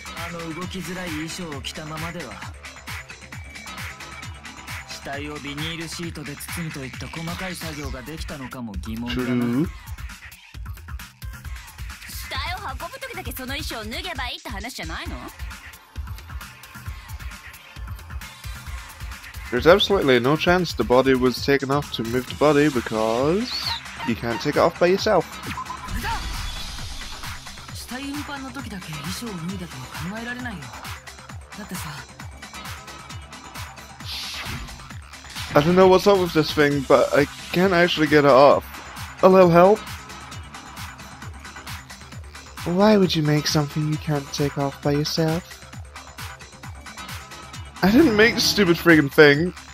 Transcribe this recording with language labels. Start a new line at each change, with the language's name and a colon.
Japanese: あの動きづらい衣装を着たままでは死体をビニールシートで包むといった細かい作業ができたのかも疑問だな。死体を運ぶ時だけその衣装を脱げばいいって話じゃないの？
English: There's absolutely no chance the body was taken off to move the body because you can't take it off by yourself.
Japanese: の時だけ衣装を脱いだとは考えられないよ。だってさ、
English: I don't know what's up with this thing, but I can't actually get it off. A little help? Why would you make something you can't take off by yourself? I didn't make the stupid friggin' thing.